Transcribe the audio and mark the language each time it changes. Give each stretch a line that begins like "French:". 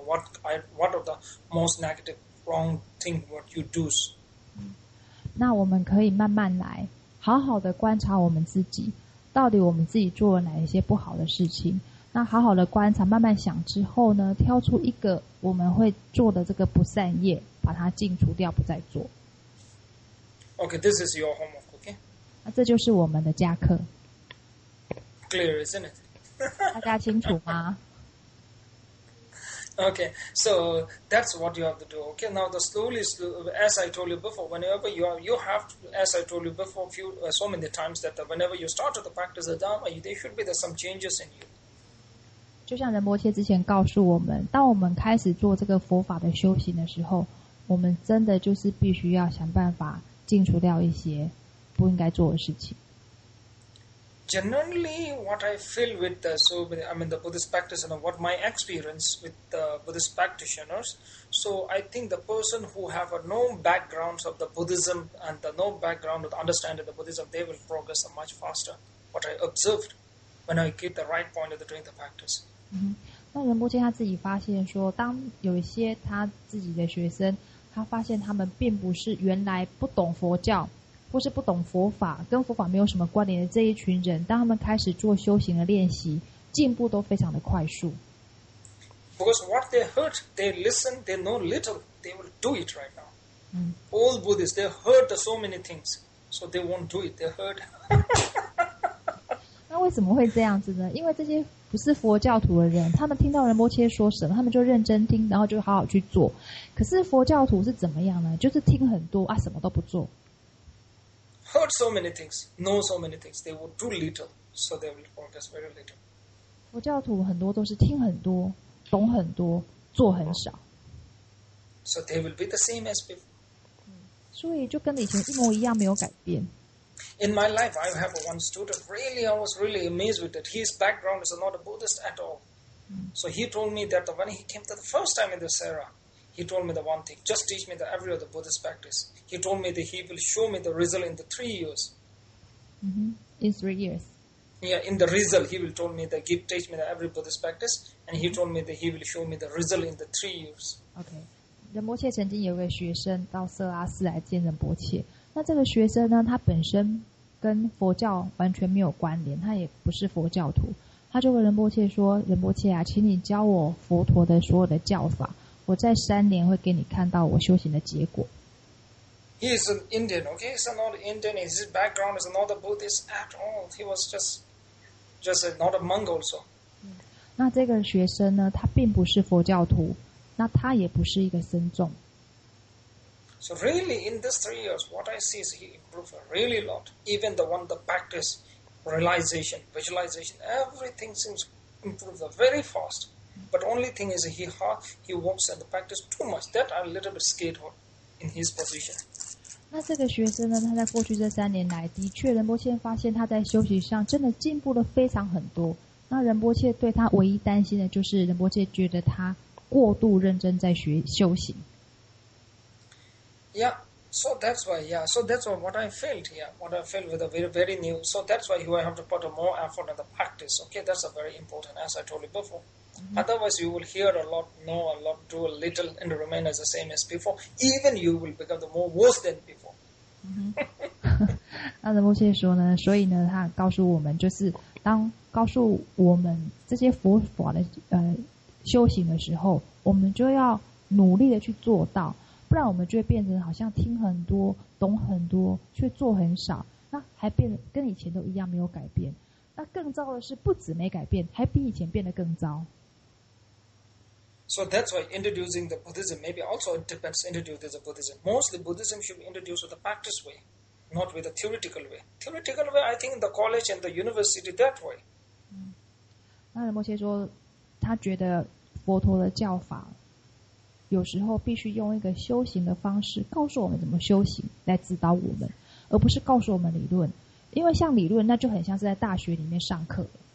English: What are the most negative wrong thing what you do?
Chinese: 那我们可以慢慢来。好好的观察我们自己，到底我们自己做了哪一些不好的事情？那好好的观察，慢慢想之后呢，挑出一个我们会做的这个不善业，把它净除掉，不再做。
English: Okay, this is your homework. Okay.
Chinese: 那这就是我们的加课。
English: Good. clear, isn't it?
Chinese: 大家清楚吗？
English: Okay, so that's what you have to do. Okay, now the slowly, as I told you before, whenever you have to, as I told you before, so many times that whenever you start the practice of Dharma, there should be some changes in you.
Chinese: 就像仁波切之前告诉我们，当我们开始做这个佛法的修行的时候，我们真的就是必须要想办法净除掉一些不应该做的事情。
English: Generally, what I feel with the, so, I mean, the Buddhist practitioner, and what my experience with the Buddhist practitioners, so I think the person who have no background of the Buddhism and the no background of the understanding of the Buddhism, they will progress much faster, what I observed when I get the right point of doing the practice.
Chinese: 那仁波切他自己发现说，当有一些他自己的学生，他发现他们并不是原来不懂佛教或是不懂佛法，跟佛法没有什么关联的这一群人，当他们开始做修行的练习，进步都非常的快速。
English: Because what they heard, they listen, they know little, they will do it right now. Old Buddhists, they heard so many things, so they won't do it. They heard.
Chinese: 那为什么会这样子呢？因为这些不是佛教徒的人，他们听到仁波切说什么，他们就认真听，然后就好好去做。可是佛教徒是怎么样呢？就是听很多啊，什么都不做。
English: Heard so many things, know so many things, they will do little, so they will focus very little.
Chinese: 佛教徒很多都是听很多，懂很多，做很少。
English: So they will be the same as before.
Chinese: 所以就跟以前一模一样，没有改变。
English: In my life, I have one student. Really, I was really amazed with it. His background is not a Buddhist at all. So he told me that when he came to the first time in the Sera, he told me the one thing. Just teach me the every other Buddhist practice. He told me that he will show me the result in the 3 years. In 3 years. Yeah, in the result, he will told me that give teach me the every Buddhist practice, and he told me that he will show me the result in the 3 years.
Chinese: Okay, 仁波切曾经有位学生到色拉寺来见仁波切。那这个学生呢，他本身跟佛教完全没有关联，他也不是佛教徒。他就问仁波切说：“仁波切啊，请你教我佛陀的所有的教法，我在3年会给你看到我修行的结果。”
English: He is an Indian, okay? He's not Indian. His background is not a Buddhist at all. He was just not a monk also.
Chinese: 那这个学生呢，他并不是佛教徒，那他也不是一个僧众。
English: So really, in these 3 years, what I see is he improved really a lot. Even the one, the practice, realization, visualization, everything seems improved very fast. But only thing is he works at the practice too much. That I'm a little bit scared of in his position.
Chinese: 那这个学生呢，他在过去这3年来，的确仁波切发现他在修行上真的进步了非常很多。那仁波切对他唯一担心的就是仁波切觉得他过度认真在学修行。
English: Yeah, so that's why, what I felt, what I felt with a very, very new, so that's why you have to put more effort in the practice, okay, that's a very important, as I told you before. Otherwise, you will hear a lot, know a lot, do a little, and remain as the same as before, even you will become the more worse than before.
Chinese: 那仁波切说呢，所以呢，他告诉我们，就是当告诉我们这些佛法的修行的时候，我们就要努力的去做到，不然我们就会变成好像听很多、懂很多，却做很少。那还变得跟以前都一样，没有改变。那更糟的是，不止没改变，还比以前变得更糟。
English: So that's why introducing the Buddhism maybe also it depends introduce the Buddhism. Mostly Buddhism should be introduced with the practice way, not with the theoretical way. Theoretical way, I think the college and the university that way.
Chinese: 那仁波切说，他觉得佛陀的教法。有时候必须用一个修行的方式告诉我们怎么修行来指导我们，而不是告诉我们理论，因为像理论那就很像是在大学里面上课。